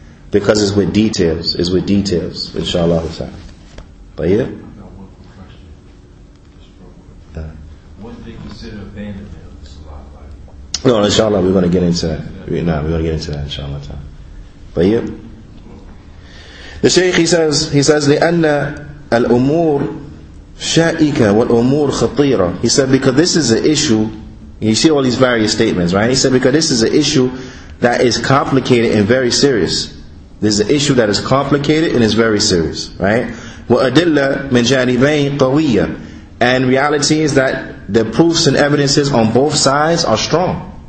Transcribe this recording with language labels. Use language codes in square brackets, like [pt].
[en] Because it's with details. It's with details, inshallah ta'ala. But yeah? Now, one question. Just real quick. What do they consider abandonment of Salah? No, inshallah, we're going to get into that. Inshallah ta'ala. But yeah? The Shaykh, he says, [ar] لِأَنَّ الأمور شائكة والأمور خطيرة. [en] He said, because this is an issue, you see all these various statements, right? He said, because this is an issue that is complicated and very serious. This is an issue that is complicated and is very serious, right? [ar] وأدلة من جانبين قوية. [en] And reality is that the proofs and evidences on both sides are strong.